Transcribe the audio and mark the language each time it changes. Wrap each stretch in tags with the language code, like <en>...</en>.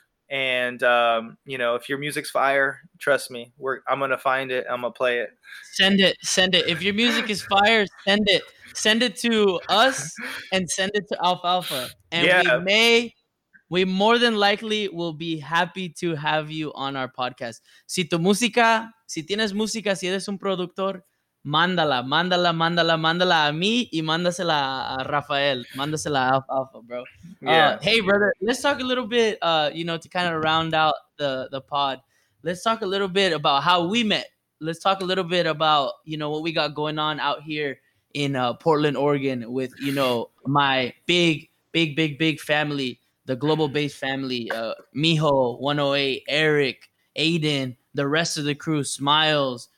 <en>And you know, if your music's fire, trust me, I'm gonna find it. I'm gonna play it. Send it. If your music is fire, send it. Send it to us, and send it to Alf Alpha. And yeah, we more than likely will be happy to have you on our podcast.</en> <es>Si tu música, si tienes música, si eres un productor, mándala a mí y mándasela a Rafael. Mándasela a Alf Alpha, bro. Yeah.</es> <en>Hey, brother, let's talk a little bit, you know, to kind of round out the pod. Let's talk a little bit about how we met. Let's talk a little bit about, you know, what we got going on out here in Portland, Oregon, with, you know, my big family, the global based family, Mijo, 108, Eric, Aiden, the rest of the crew, Smiles.</en>